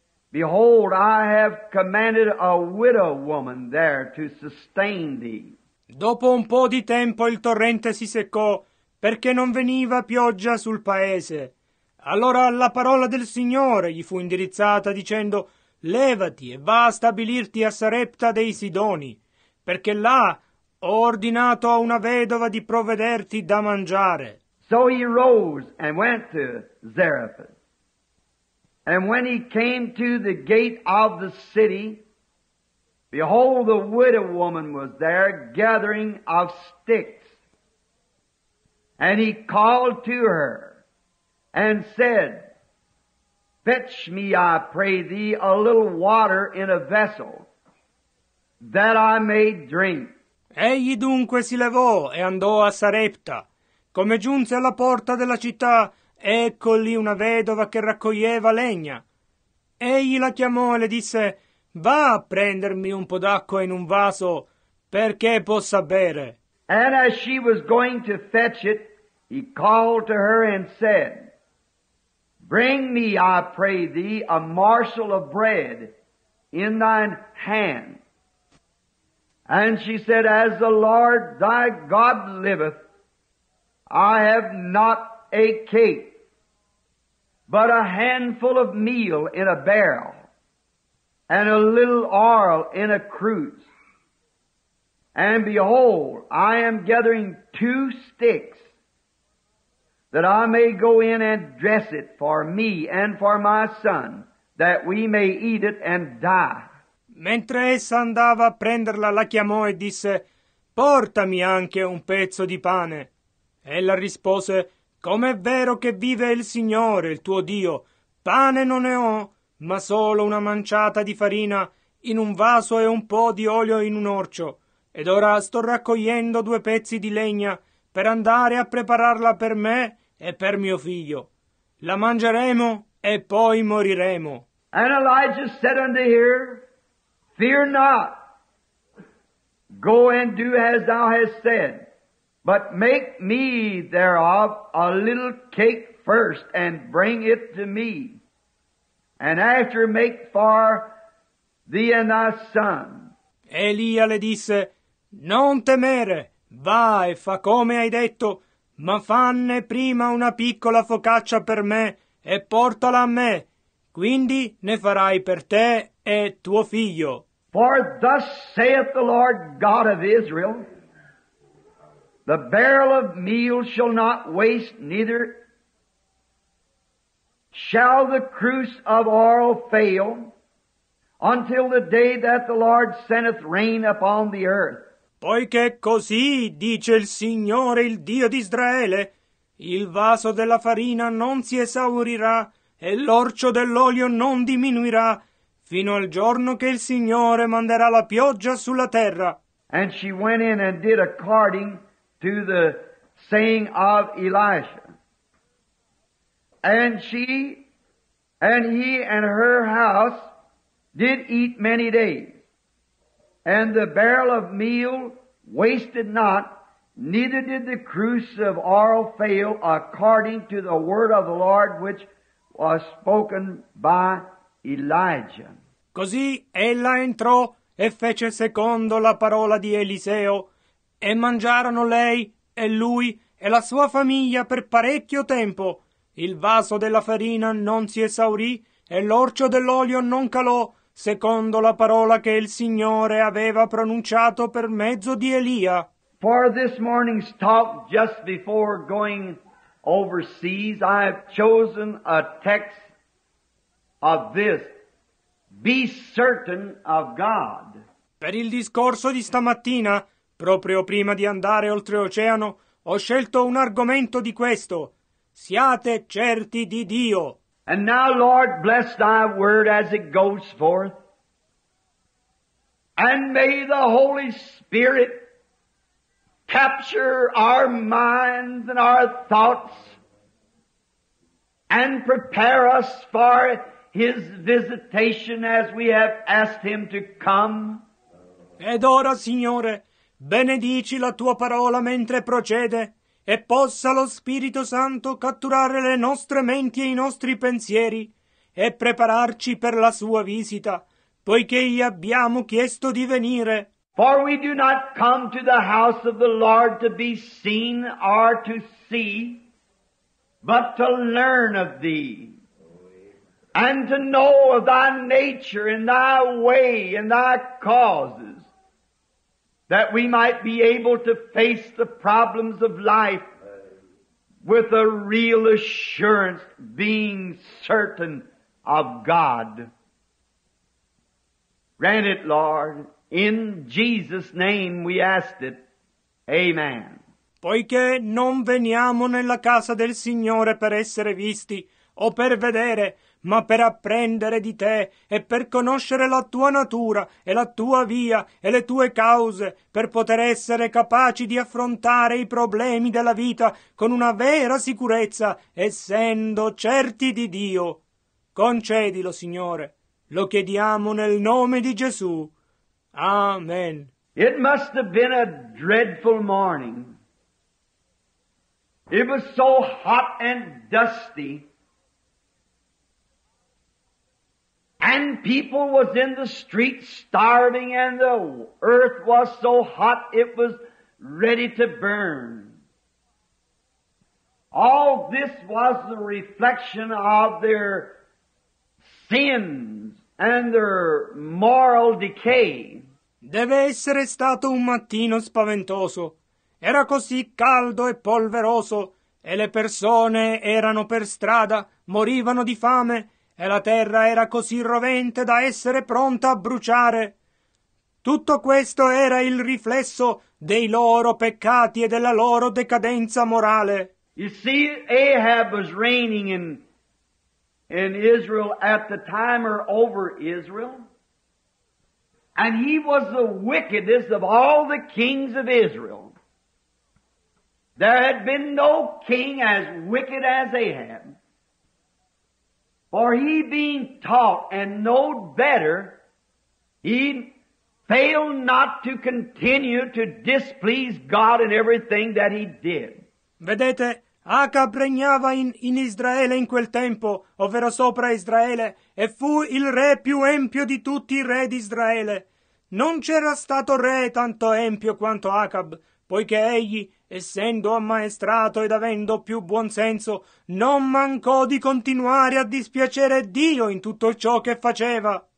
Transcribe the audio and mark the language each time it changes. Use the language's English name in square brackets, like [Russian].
[English] Behold, I have commanded a widow woman there to sustain thee. [Italian] Dopo un po' di tempo il torrente si seccò, perché non veniva pioggia sul paese. Allora la parola del Signore gli fu indirizzata, dicendo, Levati e va a stabilirti a Sarepta dei Sidoni, perché là ho ordinato a una vedova di provvederti da mangiare. [English] So he rose and went to Zarephath. And when he came to the gate of the city, behold, the widow woman was there gathering of sticks. And he called to her and said, Fetch me, I pray thee, a little water in a vessel, that I may drink. [Italian] Egli dunque si levò e andò a Sarepta. Come giunse alla porta della città, ecco lì una vedova che raccoglieva legna. Egli la chiamò e le disse, Va a prendermi un po' d'acqua in un vaso, perché possa bere. [English] And as she was going to fetch it, he called to her and said, Bring me, I pray thee, a morsel of bread in thine hand. And she said, As the Lord thy God liveth, I have not a cake, but a handful of meal in a barrel, and a little oil in a cruse. And behold, I am gathering 2 sticks, that I may go in and dress it for me and for my son, that we may eat it and die. [Italian] Mentre essa andava a prenderla, la chiamò e disse: portami anche un pezzo di pane. Ella rispose: come è vero che vive il Signore, il tuo Dio, pane non ne ho, ma solo una manciata di farina in un vaso e un po' di olio in un orcio. Ed ora sto raccogliendo due pezzi di legna per andare a prepararla per me e per mio figlio. La mangeremo e poi moriremo. [English] And Elijah said unto her, fear not, go and do as thou hast said, but make me thereof a little cake first, and bring it to me, and after make for thee and thy son. [Italian] Elia le disse: non temere, va e fa come hai detto, ma fanne prima una piccola focaccia per me e portala a me, quindi ne farai per te e tuo figlio. [English] For thus saith the Lord God of Israel, the barrel of meal shall not waste, neither shall the cruse of oil fail, until the day that the Lord sendeth rain upon the earth. [Italian] Poiché così dice il Signore, il Dio di Israele, il vaso della farina non si esaurirà e l'orcio dell'olio non diminuirà fino al giorno che il Signore manderà la pioggia sulla terra. [English] And she went in and did according to the saying of Elisha. And she and he and her house did eat many days. And the barrel of meal wasted not, neither did the cruse of oil fail, according to the word of the Lord which was spoken by Elijah. [Italian] Così ella entrò e fece secondo la parola di Eliseo, e mangiarono lei e lui e la sua famiglia per parecchio tempo. Il vaso della farina non si esaurì e l'orcio dell'olio non calò, secondo la parola che il Signore aveva pronunciato per mezzo di Elia. [English] For this morning's talk, just before going overseas, I have chosen a text of this: be certain of God. [Italian] Per il discorso di stamattina, proprio prima di andare oltreoceano, ho scelto un argomento di questo: siate certi di Dio. [English] And now, Lord, bless thy word as it goes forth. And may the Holy Spirit capture our minds and our thoughts and prepare us for his visitation as we have asked him to come. [Italian] Ed ora, Signore, benedici la tua parola mentre procede, e possa lo Spirito Santo catturare le nostre menti e i nostri pensieri e prepararci per la sua visita, poiché gli abbiamo chiesto di venire. [English] For we do not come to the house of the Lord to be seen or to see, but to learn of thee, and to know of thy nature and thy way and thy causes, that we might be able to face the problems of life with a real assurance, being certain of God. Grant it, Lord, in Jesus' name we ask it. Amen. [Italian] Poiché non veniamo nella casa del Signore per essere visti o per vedere, ma per apprendere di te e per conoscere la tua natura e la tua via e le tue cause, per poter essere capaci di affrontare i problemi della vita con una vera sicurezza, essendo certi di Dio. Concedilo, Signore. Lo chiediamo nel nome di Gesù. Amen. [English] It must have been a dreadful morning. It was so hot and dusty. And people was in the streets starving, and the earth was so hot it was ready to burn. All this was the reflection of their sins and their moral decay. [Italian] Deve essere stato un mattino spaventoso. Era così caldo e polveroso, e le persone erano per strada, morivano di fame, e la terra era così rovente da essere pronta a bruciare. Tutto questo era il riflesso dei loro peccati e della loro decadenza morale. [English] You see, Ahab was reigning in Israel at the time, or over Israel, and he was the wickedest of all the kings of Israel. There had been no king as wicked as Ahab, for he being taught and knowed better, he failed not to continue to displease God in everything that he did. [Italian] Vedete, Acab regnava in Israele in quel tempo, ovvero sopra Israele, e fu il re più empio di tutti i re di Israele. Non c'era stato re tanto empio quanto Acab, poiché egli, essendo ammaestrato ed avendo più buon senso, non mancò di continuare a dispiacere Dio in tutto ciò che faceva.